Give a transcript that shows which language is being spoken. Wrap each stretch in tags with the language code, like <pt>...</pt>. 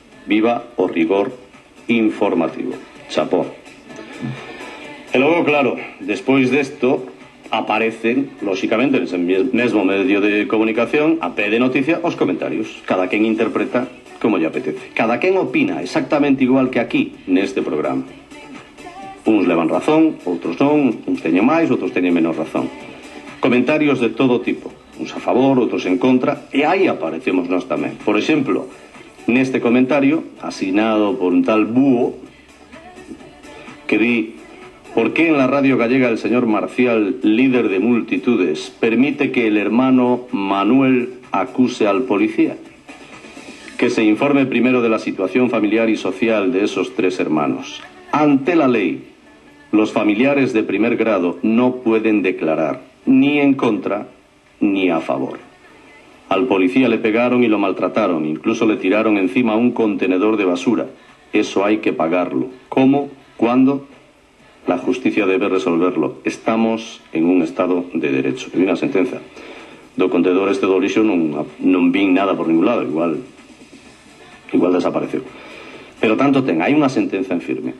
<gl>Viva o rigor informativo. Chapó. E logo, claro, despois desto, aparecen, lóxicamente, nese mesmo medio de comunicación, a pé de noticia, os comentarios. Cada quen interpreta como lle apetece. Cada quen opina exactamente igual que aquí, neste programa. Uns levan razón, outros non, uns teñen máis, outros teñen menos razón. Comentarios de todo tipo, uns a favor, outros en contra, e aí aparecemos nós tamén. Por exemplo, neste comentario, asinado por un tal Búho, que di,</gl> <es>¿por qué en la radio gallega el señor Marcial, líder de multitudes, permite que el hermano Manuel acuse al policía? Que se informe primero de la situación familiar y social de esos tres hermanos. Ante la ley, los familiares de primer grado no pueden declarar ni en contra ni a favor. Al policía le pegaron y lo maltrataron, incluso le tiraron encima un contenedor de basura. Eso hay que pagarlo. ¿Cómo? ¿Cuándo? La justicia debe resolverlo. Estamos en un estado de derecho. Y una sentencia.</es> <gl>Do contenedor este do lixo non vin nada por ningún lado. Igual desapareceu. Pero tanto ten, hai unha sentenza en firme.</gl>